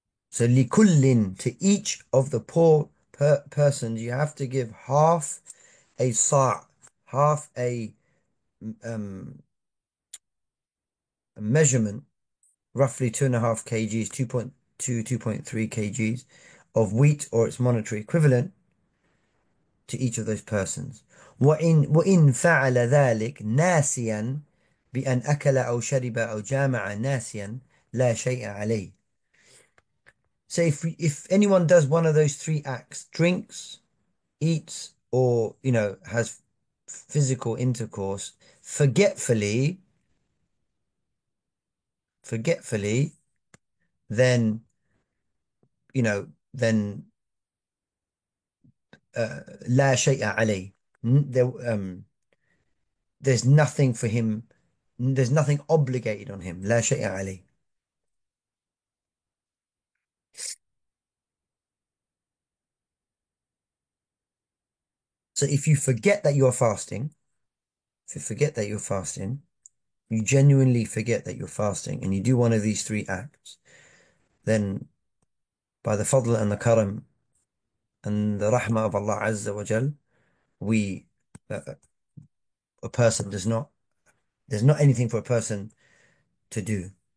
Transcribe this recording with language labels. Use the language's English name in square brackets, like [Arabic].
[English] So likullin, to each of the poor persons, you have to give half a sa', half a measurement, roughly 2.5 kgs, 2.2, 2.3 kgs of wheat or its monetary equivalent to each of those persons. [Arabic] وإن فعل ذلك ناسيا بأن أكل أو شرب أو جامع ناسيا لا شيء عليه. [English] So if anyone does one of those three acts, drinks, eats, or has physical intercourse forgetfully, then then [Arabic] لا شيء عليه. [English] There's nothing for him. There's nothing obligated on him. [Arabic] لا شيء عليه. [English] So if you forget that you're fasting, if you forget that you're fasting, you genuinely forget that you're fasting, and you do one of these three acts, then by the fadl and the karam and the rahmah of Allah Azza wa Jal, a person does not, there's not anything for a person to do.